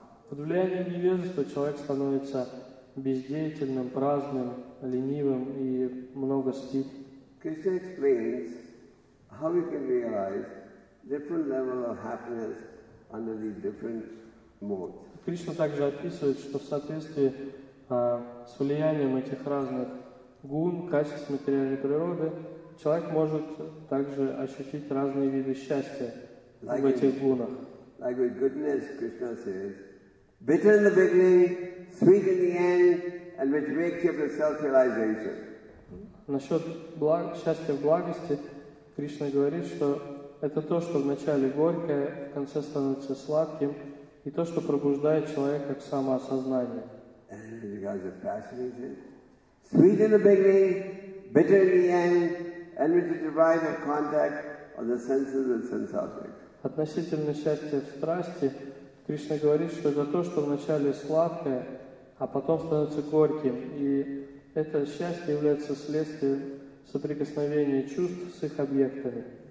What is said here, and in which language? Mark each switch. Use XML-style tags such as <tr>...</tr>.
<ru>Под влиянием невежества человек становится бездеятельным, праздным, ленивым и много спит.</ru> <en>Krishna explains how we can realize different level of happiness under these different modes.</en> <ru>Кришна также описывает, что в соответствии с влиянием этих разных гун, качеств материальной природы, человек может также ощутить разные виды счастья.</ru> <en>Like with goodness, Krishna says, bitter in the beginning, sweet in the end, and which makes you for self-realization.</en> <ru>Насчет счастья в благости, Кришна говорит, что это то, что вначале горькое, в конце становится сладким, и то, что пробуждает человека к самоосознанию.</ru> <en>And because of passion, he says, sweet in the beginning, bitter in the end, and which is derived from contact of the senses and sense objects.</en> <ru>Относительно счастья в страсти, Кришна говорит, что это то, что вначале сладкое, а потом становится горьким. И это счастье является следствием соприкосновения чувств с их объектами.</ru>